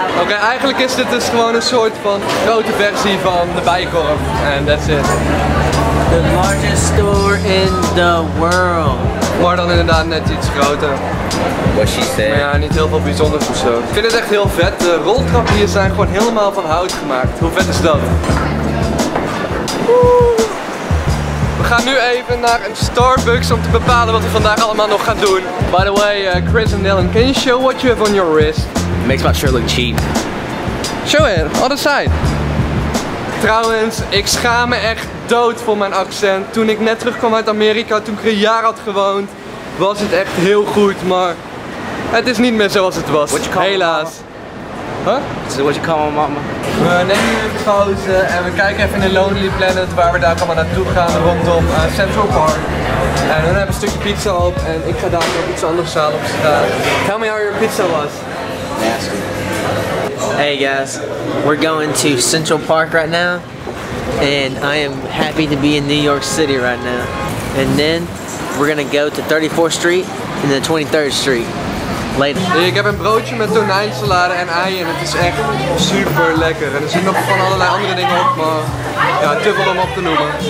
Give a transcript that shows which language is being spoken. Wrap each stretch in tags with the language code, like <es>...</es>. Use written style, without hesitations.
<nl>Oké, eigenlijk is dit dus gewoon een soort van grote versie van de Bijenkorf.</nl> <en>And that's it. The largest store in the world.</en> <nl>Maar dan inderdaad net iets groter.</nl> <en>What she said.</en> <nl>Maar ja, niet heel veel bijzonders ofzo. Ik vind het echt heel vet. De roltrappen hier zijn gewoon helemaal van hout gemaakt. Hoe vet is dat? We gaan nu even naar een Starbucks om te bepalen wat we vandaag allemaal nog gaan doen.</nl> <en>By the way, Chris en Dylan, can you show what you have on your wrist? It makes my shirt look cheap. Show it, other side.</en> <nl>Trouwens, ik schaam me echt dood voor mijn accent. Toen ik net terugkwam uit Amerika, toen ik er een jaar had gewoond, was het echt heel goed, maar het is niet meer zoals het was. Helaas.</nl> <en>Huh? What you call my mama?</en> <nl>We nemen nu even pauze en we kijken even in de Lonely Planet waar we daar allemaal naartoe gaan rondom Central Park. En dan hebben we een stukje pizza op en ik ga daar nog iets anders halen op straat.</nl> <en>Tell me how your pizza was. Nasty. Hey guys, we're going to Central Park right now and I am happy to be in New York City right now. And then we're gonna go to 34th Street and then 23rd Street. Later.</en> <nl>Ik heb een broodje met tonijnsalade en ei en het is echt super lekker. En er zit nog van allerlei andere dingen op, maar ja, te veel om op te noemen.</nl>